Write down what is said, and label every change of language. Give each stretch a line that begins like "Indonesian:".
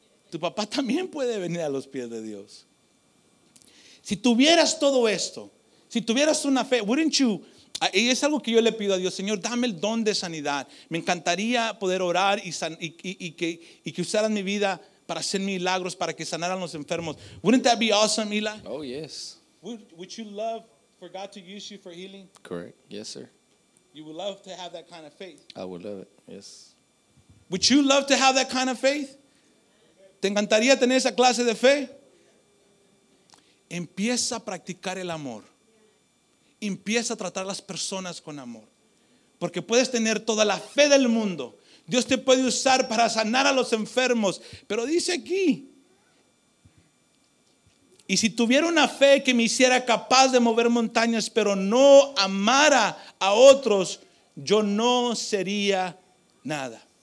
Spanish: Tu papá también puede venir a los pies de Dios. Si tuvieras todo esto, si tuvieras una fe,
English: wouldn't you?
Spanish: Y es algo que yo le pido a Dios, Señor, dame el don de sanidad. Me encantaría poder orar y que usaran mi vida para hacer milagros, para que sanaran los enfermos.
English: Wouldn't that be awesome, Eli? Oh, yes. Would you love for God to use you for healing? Correct. Yes, sir. You would love to have that kind of faith. I would love it, yes. Would you love to have that kind of faith?
Spanish: ¿Te encantaría tener esa clase de fe? Empieza a practicar el amor. Empieza a tratar a las personas con amor. Porque puedes tener toda la fe del mundo. Dios te puede usar para sanar a los enfermos. Pero dice aquí, y si tuviera una fe que me hiciera capaz de mover montañas, pero no amara a otros, yo no sería nada.